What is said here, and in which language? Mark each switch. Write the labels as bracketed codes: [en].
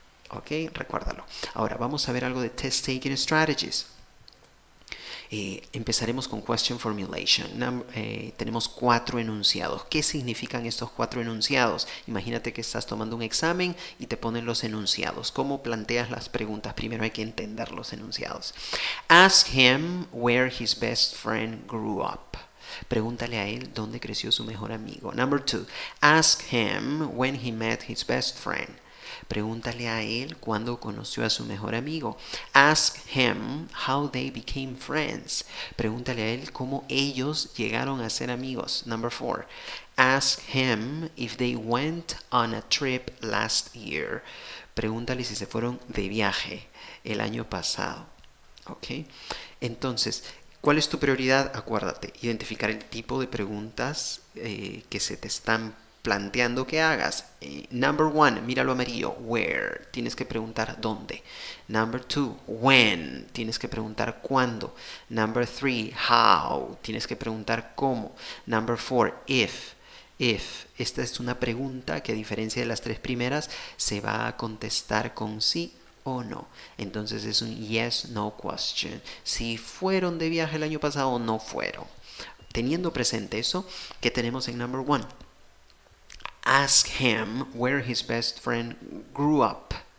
[es] ¿Ok? Recuérdalo. Ahora, vamos a ver algo de [en] test taking strategies. [es] Empezaremos con [en] question formulation. [es] Tenemos cuatro enunciados. ¿Qué significan estos cuatro enunciados? Imagínate que estás tomando un examen y te ponen los enunciados. ¿Cómo planteas las preguntas? Primero hay que entender los enunciados. [en] Ask him where his best friend grew up. [es] Pregúntale a él dónde creció su mejor amigo. [en] Number two. Ask him when he met his best friend. [es] Pregúntale a él cuándo conoció a su mejor amigo. [en] Ask him how they became friends. [es] Pregúntale a él cómo ellos llegaron a ser amigos. [en] Number four. Ask him if they went on a trip last year. [es] Pregúntale si se fueron de viaje el año pasado. ¿Ok? Entonces, ¿cuál es tu prioridad? Acuérdate, identificar el tipo de preguntas que se te están planteando que hagas. [en] Number one, [es] míralo amarillo, where, tienes que preguntar dónde. [en] Number two, [es] when, tienes que preguntar cuándo. [en] Number three, [es] how, tienes que preguntar cómo. [en] Number four, [es] if, esta es una pregunta que a diferencia de las tres primeras se va a contestar con sí o no. Entonces es un [en] yes, no question. [es] Si fueron de viaje el año pasado o no fueron. Teniendo presente eso, ¿qué tenemos en [en] number one? Ask him where his best friend grew up.